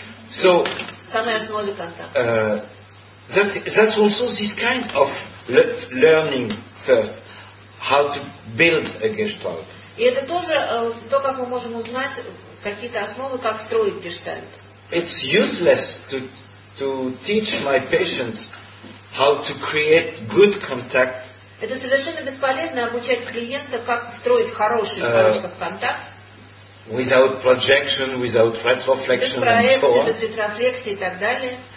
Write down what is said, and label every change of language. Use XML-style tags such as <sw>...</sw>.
<en>So, that's also this kind of learning first, how to build a gestalt.</en> <ru>И это тоже то, как мы можем узнать какие-то основы, как строить гештальт.</ru> <en>It's useless to teach my patients how to create good contact.</en> <ru>Это совершенно бесполезно обучать клиента, как строить хороший контакт.</ru> <en>Without projection, without retroflexion and so on.</en> <ru>Без ретрофлексии и так далее.</ru>